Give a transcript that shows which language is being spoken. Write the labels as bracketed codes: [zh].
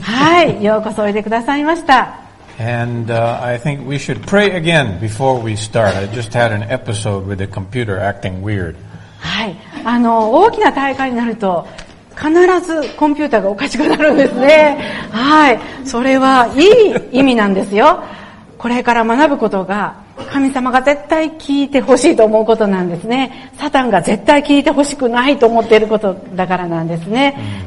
[ja] はい、ようこそおいでくださいました。 [en] And I think we should pray again before we start. I just had an episode with a computer acting weird. [ja] はい、大きな大会になると必ずコンピューターがおかしくなるんですね。はい、それはいい意味なんですよ。これから学ぶことが神様が絶対聞いてほしいと思うことなんですね。サタンが絶対聞いてほしくないと思っていることだからなんですね。